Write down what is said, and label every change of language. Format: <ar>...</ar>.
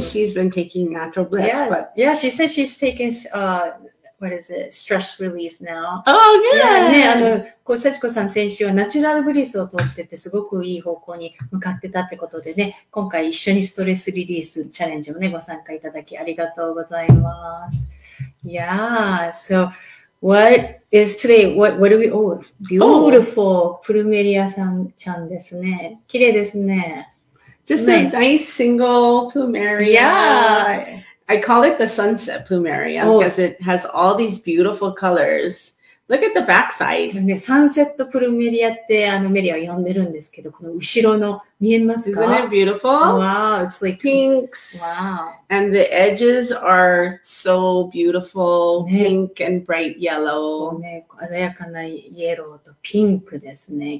<en>She's been taking natural bliss. Yeah, but yeah she said she's taking, what is it? Stress release now. Oh, good. Yeah.</en> <ja>ね、あの、こう、さちこさん先週はナチュラルブリスを取ってて、すごくいい方向に向かってたってことでね、今回一緒にストレスリリースチャレンジをね、ご参加いただきありがとうございます。</ja> <en>Yeah, so... What is today? What do we? Oh, beautiful plumeria</en> <ja>san chan desu ne. Kirei desu ne.</ja> <en>Just a nice single plumeria. Yeah. I call it the sunset plumeria because it has all these beautiful colors. Look at the backside.</en> <ja>ね、サンセットプルメリアってあのメリアを呼んでるんですけど、この後ろの見えますか?</ja> <en>Isn't it beautiful? Wow, it's like pinks. Wow. And the edges are so beautiful, pink and bright yellow.</en> <ja>ね、鮮やかなイエローとピンクですね。</ja>